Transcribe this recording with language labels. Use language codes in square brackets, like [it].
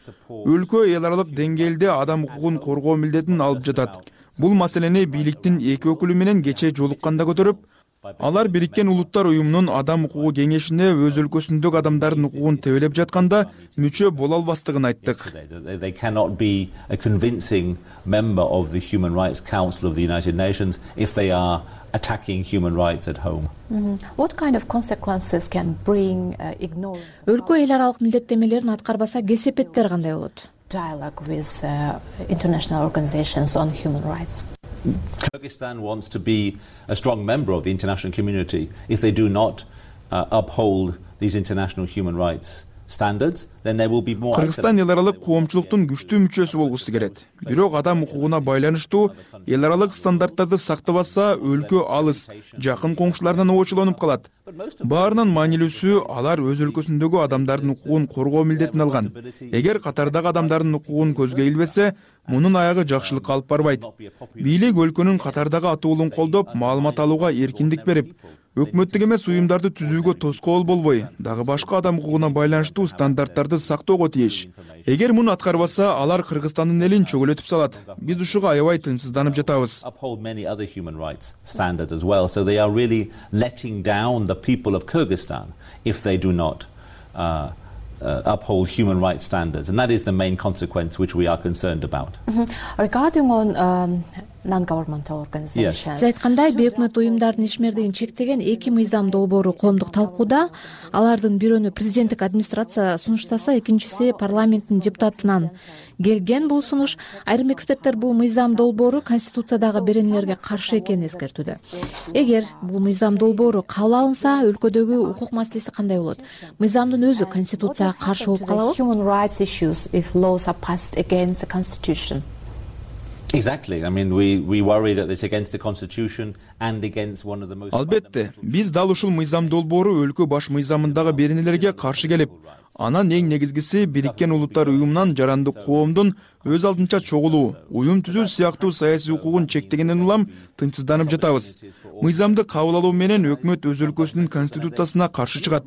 [ky] Өлкө эл аралык деңгээлде адам укугун коргоо милдетин алып жатат. Бул маселени бийликтин эки өкүлү менен кечээ жолукканда көтөрүп, алар Бириккен Улуттар Уюмунун адам укугу кеңешине өз өлкөсүндөгү адамдардын укугун тебелеп жатканда мүчө боло албастыгын айттык. [en] They cannot be a convincing member of the Human Rights Council of the United Nations if they are attacking human rights at home. What kind of consequences can bring ignoring? [ky] Өлкө эл аралык милдеттенмелерин аткарбаса кесепеттер кандай болот? [en] Dialogue with international organizations on human rights. Kyrgyzstan wants to be a strong member of the international community. If they do not uphold these international human rights standards, then there will be more. [ky] Кыргызстан эл аралык коомчулуктун күчтүү мүчөсү болгусу келет. Бирок адам укугуна байланыштуу эл аралык стандарттарды сактабаса, өлкө алыс, жакын коңшуларынан оочолонуп калат. Баарынан маанилүүсү алар өз өлкөсүндөгү адамдардын укугун коргоо милдетин алган. Эгер катардагы адамдардын укугун көзгө илбесе, мунун аягы жакшылыкка алып барбайт. Бийлик өлкөнүн катардагы атуулун колдоп, маалымат алууга эркиндик берип, Өкмөттүк эмес уюмдарды түзүүгө тоскоол болбой, дагы башка адам укугуна байланыштуу стандарттарды сактоого тийиш. Эгер муну аткарбаса, алар Кыргызстандын элин чөгөлөтүп салат. Биз ушуга аябай тынчсызданып жатабыз. [en] Uphold human rights standards, and that is the main consequence which we are concerned about. Regarding on non-governmental organizations. Yes. [ky] Айткандай, бөкмөт уюмдардын ишмердигин чектеген эки мыйзам долбоору коомдук талкууда, алардын бирөөнү президенттик администрация сунуштаса, экинчиси парламенттин депутатынан келген бул сунуш. Айрым эксперттер бул мыйзам долбоору конституциядагы беренелерге каршы экенин эскертүүдө. Эгер бул мыйзам долбоору кабыл алынса, өлкөдөгү укук маселеси кандай болот? Мыйзамдын өзү конституцияга каршы болуп калабы? [en] Human rights issues if laws are passed against the constitution. Exactly. I mean, we worry that it's against the constitution and against one of the most. [ky] Албетте, биз дал ушул мыйзам долбоору өлкө баш мыйзамындагы беренелерге каршы келип, анан эң негизгиси Бириккен Улуттар Уюмунан жарандык коомдун өз алдынча чогулуу, уюм түзүү сыяктуу саясий укугун чектегенден улам тынчсызданып жатабыз. Мыйзамды кабыл алуу менен өкмөт өз өлкөсүнүн конституциясына каршы чыгат.